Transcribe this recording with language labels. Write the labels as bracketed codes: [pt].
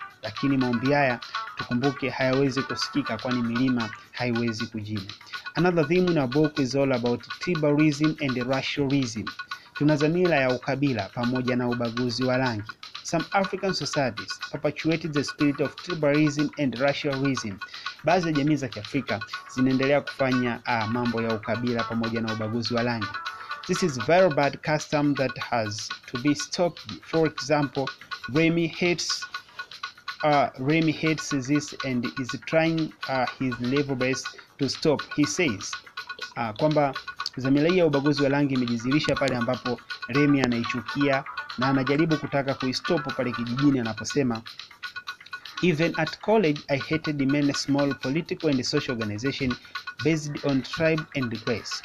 [sw] Lakini maombi haya tukumbuke hayawezi kusikika kwani milima haiwezi kujibu. [en] Another theme in our book is all about tribalism and racialism. [sw] Tuna dhamira ya ukabila pamoja na ubaguzi wa rangi. [en] Some African societies perpetuated the spirit of tribalism and racialism. [sw] Baadhi ya jamii za Kiafrika zinaendelea kufanya mambo ya ukabila pamoja na ubaguzi wa rangi. [en] This is very bad custom that has to be stopped. For example, Remy hates this and is trying his level best to stop. He says [sw] kwamba dhamira ya ubaguzi wa rangi imejidhihirisha pale ambapo Remy anaichukia na anajaribu kutaka kuistop pale kijijini anaposema, [en] even at college I hated many small political and social organization based on tribe and race.